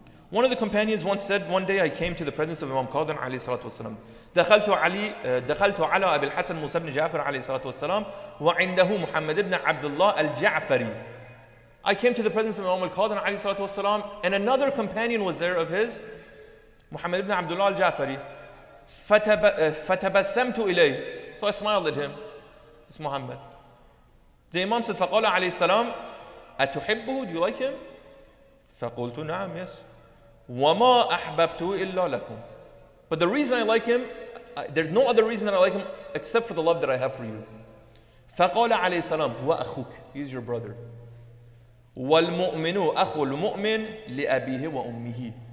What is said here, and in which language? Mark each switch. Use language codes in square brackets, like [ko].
[en] One of the companions once said, one day I came to the presence of Imam Qadhim alayhi salatu wasalam. [ar] دخلتُ على أبي الحسن موسى بن جعفر عليه الصلاة والسلام وعنده محمد بن عبد الله الجعفري. [en] I came to the presence of Imam al-Qadhim [ar] عليه الصلاة والسلام, [en] and another companion was there of his, محمد بن عبد الله الجعفري. [ar] فتبسمت إليه. [en] So I smiled at him. It's Muhammad. The Imam said, [ar] فقال عليه السلام أتحبه? [en] Do you like him? [ar] فقلت نعم, [en] yes. [ar] وما أحببته إلا لكم. [en] But the reason I like him, there's no other reason that I like him except for the love that I have for you. [ar] فَقَالَ عَلَيْهِ السَّلَامُ وَأَخُكُ. [en] He's your brother. [ar] وَالْمُؤْمِنُ أَخُ الْمُؤْمِنِ لِأَبِيهِ وَأُمِّهِ.